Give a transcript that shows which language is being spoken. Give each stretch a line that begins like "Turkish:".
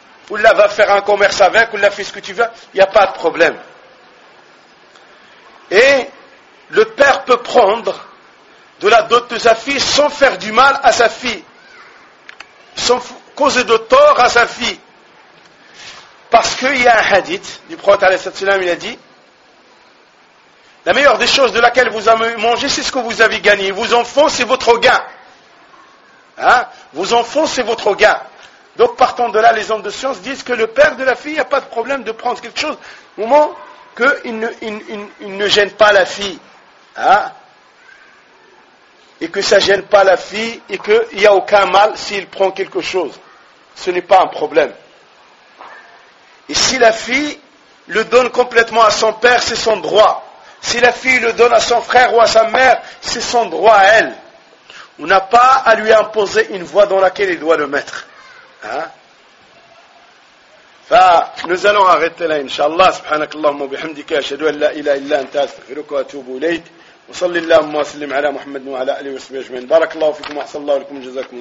French: ou là va faire un commerce avec ou là fais ce que tu veux il n'y a pas de problème et le père peut prendre de la dot de sa fille sans faire du mal à sa fille, sans causer de tort à sa fille. Parce qu'il y a un hadith du prophète, il a dit, la meilleure des choses de laquelle vous avez mangé, c'est ce que vous avez gagné. Vos enfants, c'est votre gain. Hein? Vos enfants, c'est votre gain. Donc partant de là, les hommes de science disent que le père de la fille, il n'y a pas de problème de prendre quelque chose au moment qu'il ne gêne pas la fille. Hein? Et que ça ne gêne pas la fille, et qu'il n'y a aucun mal s'il prend quelque chose. Ce n'est pas un problème. Et si la fille le donne complètement à son père, c'est son droit. Si la fille le donne à son frère ou à sa mère, c'est son droit à elle. On n'a pas à lui imposer une voie dans laquelle il doit le mettre. Hein?
Arabic: فنوز لون غيت لا ان شاء الله سبحانك اللهم وبحمدك اشهد ان لا اله الا انت استغفرك واتوب اليك وصلي اللهم وسلم على محمد وعلى اله وصحبه اجمعين بارك الله فيكم واحسن الله لكم جزاكم الله